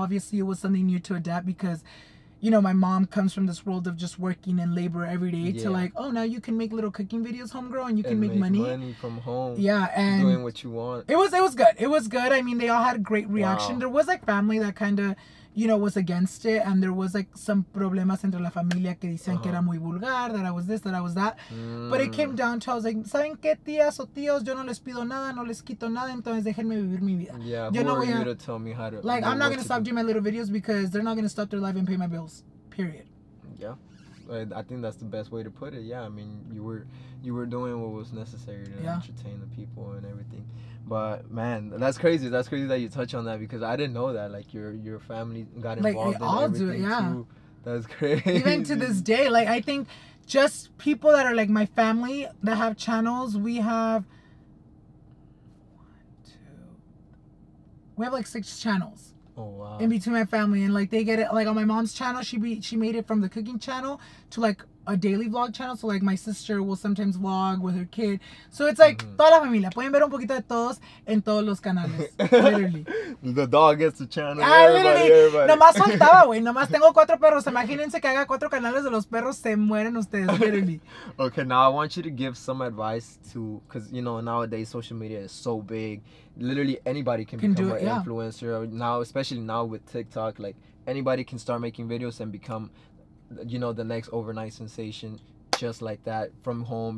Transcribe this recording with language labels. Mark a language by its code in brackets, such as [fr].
[en] Obviously it was something new to adapt, because, you know, my mom comes from this world of just working in labor every day to like, oh, now you can make little cooking videos, homegirl, and you can make money. Money from home. Yeah, and doing what you want. It was good. I mean, they all had a great reaction. There was like family that kind of, you know, was against it, and there was like some [es] problemas entre la familia que decían que era muy vulgar, [en] that I was this, that I was that. But it came down to, I was like, [es] ¿saben qué, tías o tíos? Yo no les pido nada, no les quito nada, entonces déjenme vivir mi vida. [en] Yeah, yo who no are you to tell me how to, like, I'm not gonna stop doing my little videos because they're not gonna stop their life and pay my bills, period. Yeah, I think that's the best way to put it. Yeah, I mean, you were doing what was necessary to entertain the people and everything. But man, that's crazy. That's crazy that you touch on that, because I didn't know that. Like, your family got involved. Like, they all do it. Yeah, that's crazy. Even to this day, like, I think just people that are like my family that have channels, we have like six channels. Oh, wow. In between my family, and like, they get it, like, on my mom's channel, she made it from the cooking channel to like a daily vlog channel. So like, my sister will sometimes vlog with her kid. So it's like, [es] toda la familia. Pueden ver un poquito de todos en todos los canales. [en] Literally. The dog gets the channel. Ah, literally. Everybody. [es] Nomás faltaba, güey. Nomás tengo cuatro perros. Imagínense que haga cuatro canales de los perros, se mueren ustedes. [en] Literally. Okay, now I want you to give some advice to, because, you know, nowadays social media is so big. Literally anybody can become an influencer. Now, especially now with TikTok, like, anybody can start making videos and become, you know, the next overnight sensation, just like that, from home.